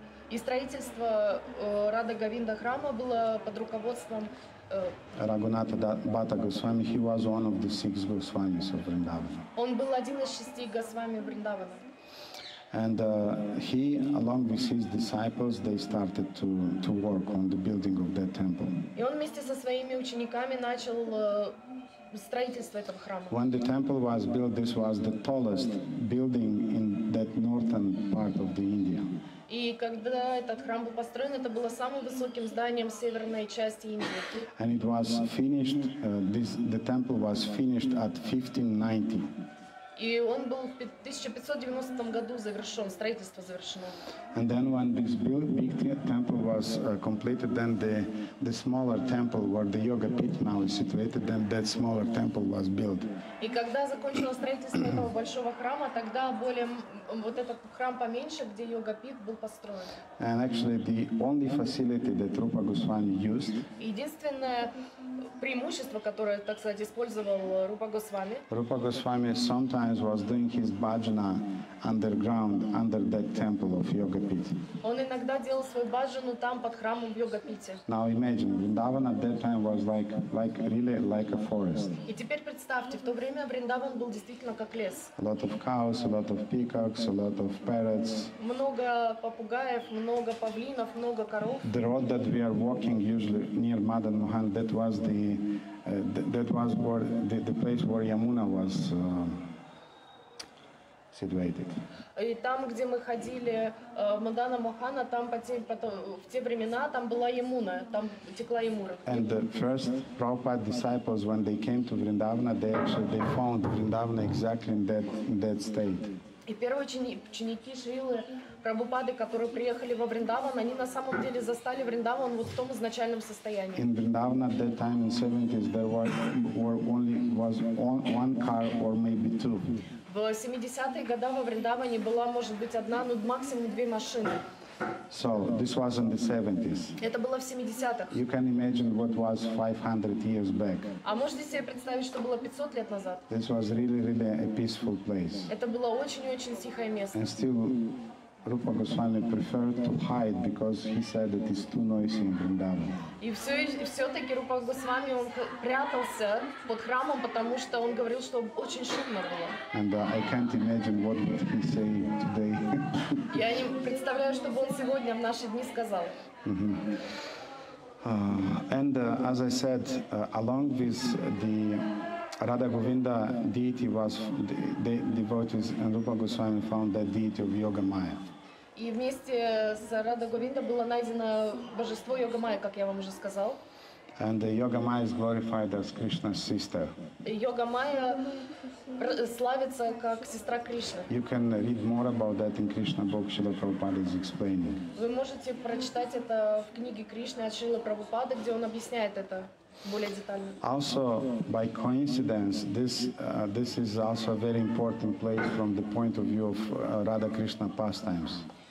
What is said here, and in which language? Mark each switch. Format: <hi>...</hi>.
<ru>И строительство Радха Говинда храма было под руководством Raghunatha Bhatta Goswami.</ru> <en>He was one of the six Goswamis of Vrindavan.</en> <ru>Он был один из шести Госвами Вриндавана.</ru> <en>And he, along with his disciples, they started to work on the building of that temple.</en> <ru>И он вместе со своими учениками начал строительство этого храма.</ru> <en>When the temple was built, this was the tallest building in that northern part of the India.</en> <ru>И когда этот храм был построен, это было самым высоким зданием в северной части Индии.</ru> <en>And it was finished. The temple was finished at 1590.</en> <ru>И он был в 1590 году завершен, строительство завершено.</ru> <en>And then when this big temple was completed, then the smaller temple where the yoga pit now is situated, then that smaller temple was built.</en> <ru>И когда закончилось строительство этого большого храма, тогда более вот этот храм поменьше, где йога пит был построен.</ru> <en>And actually the only facility that Rupa Goswami used.</en> <ru>Единственное преимущество, которое, так сказать, использовал Рупа Госвами.</ru> <en>Rupa Goswami sometimes was doing his bhajana underground under that temple of Yoga Pit.</en> <ru>Он иногда делал свою бхаджану там под храмом в Йога Пите.</ru> <en>Now imagine, Vrindavan at that time was like really like a forest.</en> <ru>И теперь представьте, в то время Вриндаван был действительно как лес.</ru> <en>A lot of cows, a lot of peacocks, a lot of parrots.</en> <ru>Много попугаев, много павлинов, много коров.</ru> <en>The road that we are walking usually near Madan Mohan, that was the place where Yamuna was situated.</en> <ru>И там, где мы ходили в Мадана Мохана, там в те времена там была Ямуна, там текла Ямура.</ru> <en>And the first Prabhupada disciples, when they came to Vrindavana, they found Vrindavana exactly in that state.</en> <ru>И первые ученики Шрилы Прабхупады, которые приехали во Вриндаван, они на самом деле застали Вриндаван вот в том изначальном состоянии.</ru> <en>In Vrindavan at that time in 70s there was only one car or maybe two.</en> <ru>В 70-е годы во Вриндаване была, может быть, одна, но максимум две машины.</ru> <en>So this was in the 70s.</en> <ru>Это было в 70-х.</ru> <en>You can imagine what was 500 years back.</en> <ru>А можете себе представить, что было 500 лет назад?</ru> <en>This was really, really a peaceful place.</en> <ru>Это было очень-очень тихое место.</ru> <en>And still Rupa Goswami preferred to hide because he said that it's too noisy in Vrindavan.</en> <ru>И все-таки Рупа Госвами он прятался под храмом, потому что он говорил, что очень шумно было.</ru> <en>And I can't imagine what would he say today.</en> <ru>Я не представляю, что бы он сегодня в наши дни сказал.</ru> <en>And as I said, along with the Radha Govinda deity was the devotees and Rupa Goswami found that deity of Yoga Maya.</en> <ru>И вместе с Радха Говинда было найдено божество Йога Майя, как я вам уже сказал.</ru> <en>And Yoga Maya is glorified as Krishna's sister.</en> <ru>Йога Майя славится как сестра Кришны.</ru> <en>You can read more about that in Krishna book. Шрила Прабхупада is explaining.</en> <ru>Вы можете прочитать это в книге Кришны от Шрилы Прабхупады, где он объясняет это.</ru> <en>Also, by coincidence, this is also a very important place from the point of view of Radha Krishna pastimes.</en>